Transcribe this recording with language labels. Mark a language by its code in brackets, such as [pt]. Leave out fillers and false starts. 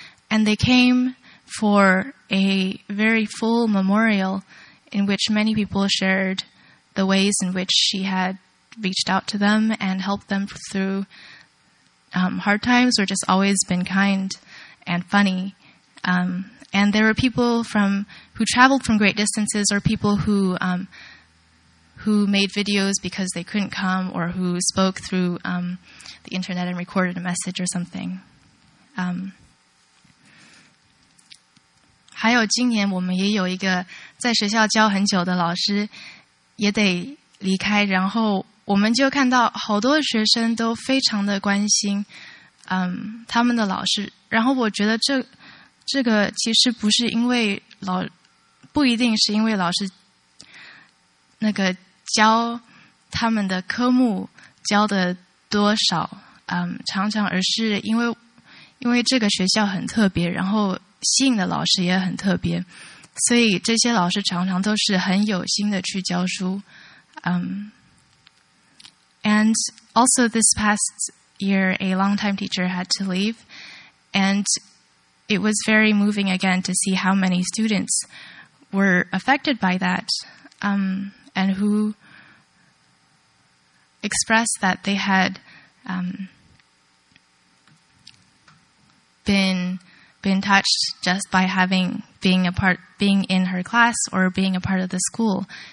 [en] And they came for a very full memorial in which many people shared the ways in which she had reached out to them and helped them through hard times or just always been kind and funny. And there were people who traveled from great distances or people who who made videos because they couldn't come, or who spoke through the internet and recorded a message or something. [zh] 还有今年我们也有一个在学校教很久的老师也得离开，然后我们就看到好多学生都非常的关心他们的老师，然后我觉得这个其实不是因为老，不一定是因为老师那个教他们的科目教的多少常常，而是因为这个学校很特别，然后吸引的老师也很特别，所以这些老师常常都是很有心的去教书。 [en] And also this past year, a longtime teacher had to leave, and it was very moving again to see how many students were affected by that, and who expressed that they had been touched just by being in her class or being a part of the school.